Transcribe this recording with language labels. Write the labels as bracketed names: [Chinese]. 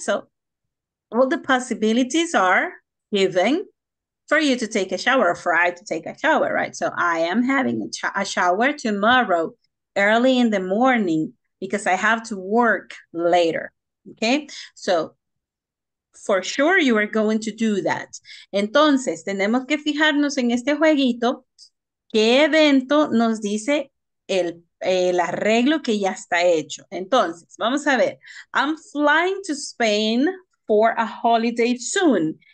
[English] So all the possibilities are given for you to take a shower, for I to take a shower, right? So I am having a shower tomorrow early in the morning because I have to work later, okay? So for sure you are going to do that. [Spanish] Entonces, tenemos que fijarnos en este jueguito, qué evento nos dice el arreglo que ya está hecho. Entonces, vamos a ver. [English] I'm flying to Spain for a holiday soon.